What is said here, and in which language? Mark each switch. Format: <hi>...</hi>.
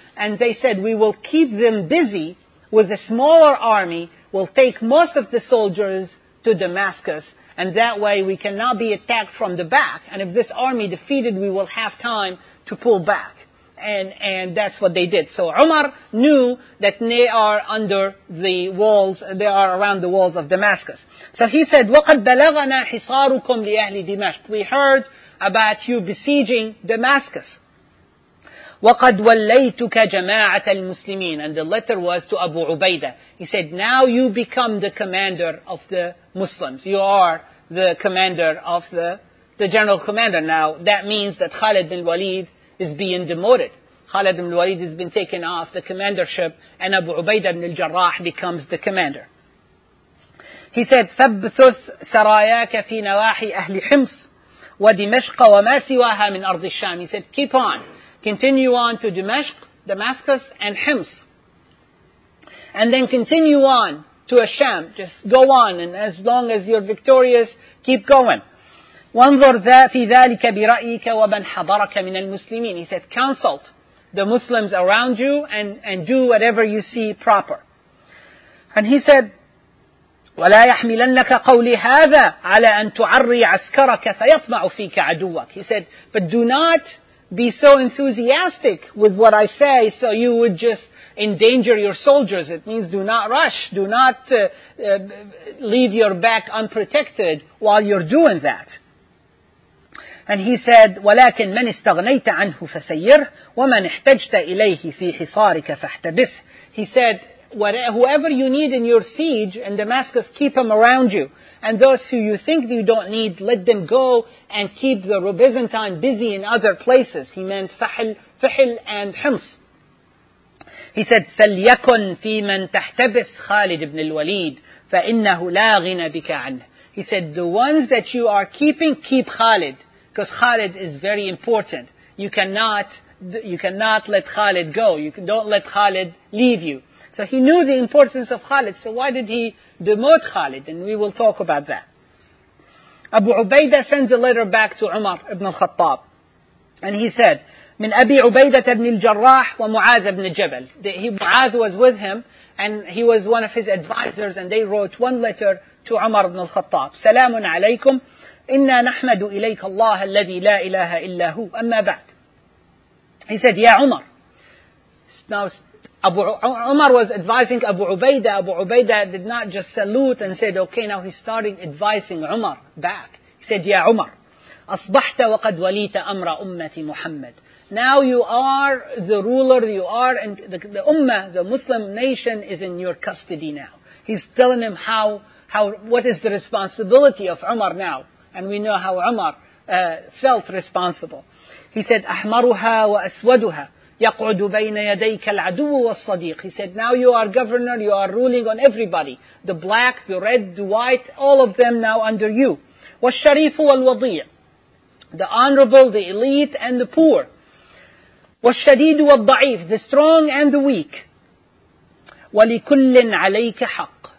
<en>And they said, we will keep them busy with a smaller army, we'll take most of the soldiers to Damascus, and that way we cannot be attacked from the back. And if this army defeated, we will have time to pull back. And that's what they did. So Umar knew that they are under the walls, they are around the walls of Damascus. So he said,</en> <ar>وَقَدْ بَلَغَنَا حِصَارُكُمْ لِأَهْلِ دِمَشْقِ.</ar> <en>We heard about you besieging Damascus.</en> <ar>وَقَدْ وَلَّيْتُكَ جَمَاعَةَ الْمُسْلِمِينَ.</ar> <en>And the letter was to Abu Ubaidah. He said, now you become the commander of the Muslims. You are the commander of the general commander. Now, that means that Khalid bin Walid is being demoted. Khalid bin Walid has been taken off the commandership, and Abu Ubaidah bin al-Jarrah becomes the commander. He said,</en> <ar>ثَبْثُثْ سَرَايَاكَ فِي نَوَاحِ أَهْلِ حِمْسِ وَدِمَشْقَ وَمَا سِوَاهَا مِنْ أَرْضِ الشَّامِ.</ar> <en>He said, keep on. Continue on to Damascus and Hims. And then continue on to Asham. Just go on, and as long as you're victorious, keep going.</en> <ar>وَانْظُرْ ذَا فِي ذَٰلِكَ بِرَأِيكَ وَمَنْ حَضَرَكَ مِنَ الْمُسْلِمِينَ.</ar> <en>He said, consult the Muslims around you and do whatever you see proper. And he said,</en> <ar>وَلَا يَحْمِلَنَّكَ قَوْلِ هَذَا عَلَىٰ أَن تُعَرِّي عَسْكَرَكَ فَيَطْمَعُ فِيكَ عَدُوَّكَ.</ar> <en>He said, but do not be so enthusiastic with what I say so you would just endanger your soldiers. It means do not rush. Do not leave your back unprotected while you're doing that. And he said,</en> <ar>وَلَكِنْ مَنْ اسْتَغْنَيْتَ عَنْهُ فَسَيِّرْهُ وَمَنْ احْتَجْتَ إِلَيْهِ فِي حِصَارِكَ فَاحْتَبِسْهُ.</ar> <en>He said, whoever you need in your siege in Damascus, keep them around you. And those who you think you don't need, let them go and keep the Byzantine busy in other places. He meant Fihr and Hims. He said,</en> <ar>فَلْيَكُنْ فِي مَنْ تَحْتَبِسْ خَالِدِ بْنِ الْوَلِيدِ فَإِنَّهُ لَا غِنَى بِكَ عَنْهُ.</ar> <en>He said, the ones that you are keeping, keep Khalid, because Khalid is very important. You cannot let Khalid go. Don't let Khalid leave you. So he knew the importance of Khalid. So why did he demote Khalid? And we will talk about that. Abu Ubaidah sends a letter back to Umar ibn al-Khattab. And he said,</en> <ar>من أبي عبيدة بن الجراح ومعاذ بن جبل.</ar> <en>Muadh was with him, and he was one of his advisors, and they wrote one letter to Umar ibn al-Khattab.</en> <ar>سلام عليكم. إنا نحمد إليك الله الذي لا إله إلا هو. أما بعد.</ar> <en>He said,</en> <ar>يا عمر.</ar> <en>Now, Umar was advising Abu Ubaidah. Abu Ubaidah did not just salute and said, okay, now he's starting advising Umar back. He said, ya Umar,</en> <ar>أصبحت وقد وليت أمر أمة محمد.</ar> <en>Now you are the ruler, you are, and the Ummah, the Muslim nation is in your custody now. He's telling him what is the responsibility of Umar now. And we know how Umar felt responsible. He said,</en> <ar>أحمرها وأسودها. يقعد بين يديك العدو والصديق.</ar> <en>He said, now you are governor, you are ruling on everybody. The black, the red, the white, all of them now under you.</en> <ar>والشريف والوضيع.</ar> <en>The honorable, the elite, and the poor.</en> <ar>والشديد والضعيف.</ar> <en>The strong and the weak.</en> <ar>ولكل عليك حق.</ar>